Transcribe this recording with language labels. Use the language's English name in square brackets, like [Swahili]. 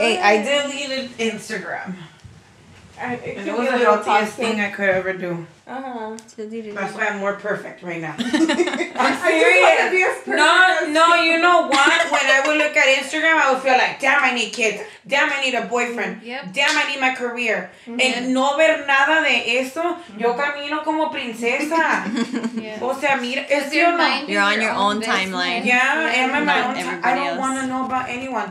[English] Hey, I deleted Instagram. And it was the healthiest thing I could ever do. Uh-huh. That's why I'm more perfect right now. I'm serious. No, you know what? When I would look at Instagram, I would feel like, damn, I need kids. Damn, I need a boyfriend. Yep. Damn, I need my career. Mm-hmm. [Spanish] And no ver nada de eso, mm-hmm. yo camino como princesa. Yeah. O sea, mira, es [English] your mind. You're on your own timeline. Yeah, and my own time. I don't want to know about anyone.